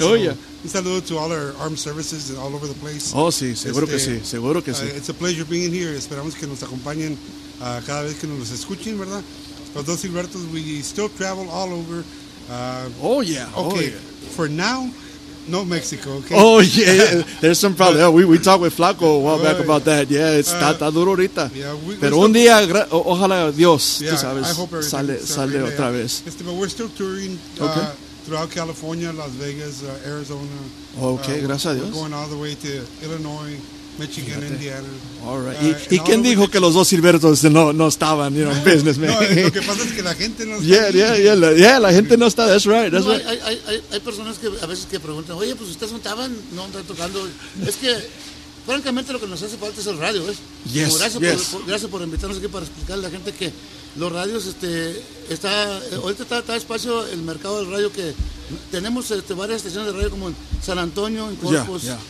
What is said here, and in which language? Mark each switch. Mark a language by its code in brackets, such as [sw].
[es] Un saludo [en] to all our armed services all over the place. [es] Seguro que sí. [en] It's a pleasure being here. [es] Esperamos que nos acompañen cada vez que nos escuchen, ¿verdad? [en] Los dos Gilbertos, we still travel all over. For now, no Mexico, okay? There's some problem. We talked with Flaco a while back about that. Yeah, it's [es] está duro ahorita. [en] Yeah, [es] pero un día, ojalá Dios, tú sabes, sale otra vez. [en] But we're still touring throughout California, Las Vegas, Arizona. [es] Gracias a Dios. [en] We're going all the way to Illinois, Michigan, Indiana. All right. [es] ¿Y quién dijo que los dos Gilbertos no estaban, [en] businessmen? [es] No, lo que pasa es que la gente no está. La gente no está, [en] that's right. [es] Hay personas que a veces que preguntan, oye, pues ustedes no están tocando. Es que, francamente, lo que nos hace falta es el radio, ¿ves? Gracias por invitarnos aquí para explicarle a la gente que los radios, ahorita está despacio el mercado del radio, que tenemos varias estaciones de radio como en San Antonio, en Corpus.